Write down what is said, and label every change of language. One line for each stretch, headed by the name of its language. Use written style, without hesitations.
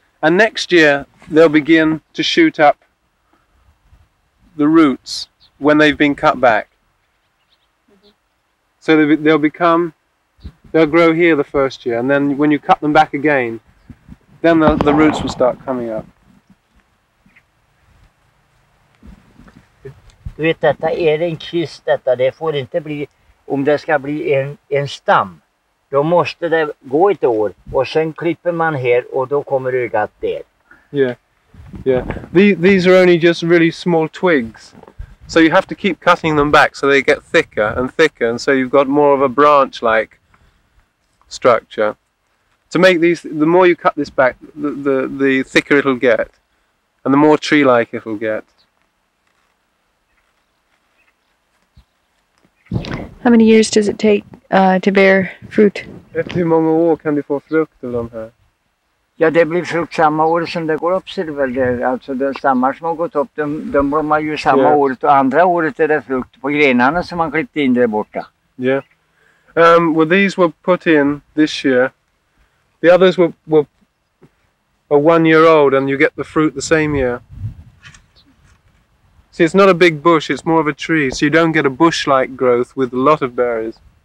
English: And next year they'll begin to shoot up the roots when they've been cut back. So they'll grow here the first year, and then when you cut them back again, then the roots will start coming up.
Swedish: Du vet, detta är en kvist, detta. Det får inte bli, om det ska bli en stam, då måste det gå ett år och sen klipper man här och då kommer ögat där.
English: Yeah. These are only just really small twigs. So you have to keep cutting them back so they get thicker and thicker, and so you've got more of a branch-like structure. To make these, the more you cut this back, the thicker it'll get, and the more tree-like it'll get. How many years does it take to bear fruit?
Swedish: Efter hur många år kan du få frukt av de här? Ja, det blir frukt samma år som det går upp, så det väl det. Alltså, de stammar som har gått upp, de blommar ju samma året, och andra året är det frukt på grenarna som man klippte in där borta.
English: Yeah. Well, these were put in this year. The others were 1 year old, and you get the fruit the same year. See, it's not a big bush, it's more of a tree, so you don't get a bush-like growth with a lot of berries.